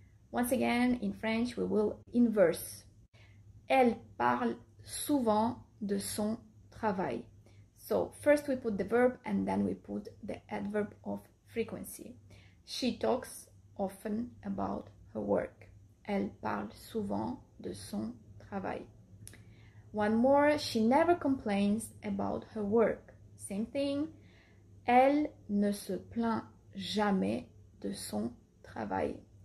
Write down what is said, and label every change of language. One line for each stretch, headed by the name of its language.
English: Once again, in French, we will inverse.
French: Elle parle souvent de son travail.
English: So first we put the verb and then we put the adverb of frequency. She talks often about her work.
French: Elle parle souvent de son travail.
English: One more, she never complains about her work. Same thing.
French: Elle ne se plaint jamais de son travail.